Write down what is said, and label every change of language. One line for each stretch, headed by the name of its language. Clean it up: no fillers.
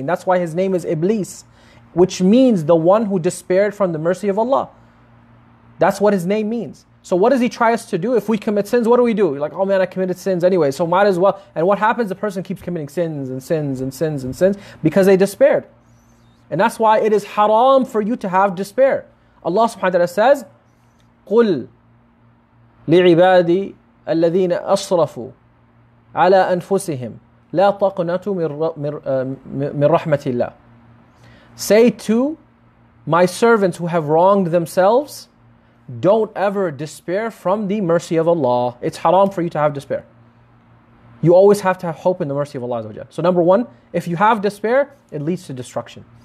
English: And that's why his name is Iblis, which means the one who despaired from the mercy of Allah. That's what his name means. So what does he try us to do? If we commit sins, what do we do? You're like, oh man, I committed sins anyway, so might as well. And what happens? The person keeps committing sins and sins and sins and sins because they despaired. And that's why it is haram for you to have despair.
Arabic: Allah subhanahu wa ta'ala says, قُلْ لِعِبَادِي الَّذِينَ أَصْرَفُوا عَلَى أَنفُسِهِمْ لَا تَقْنَتُوا مِن رَحْمَةِ اللَّهِ.
English: Say to my servants who have wronged themselves, don't ever despair from the mercy of Allah. It's haram for you to have despair. You always have to have hope in the mercy of Allah Azza wa Jalla. So number one, if you have despair, it leads to destruction.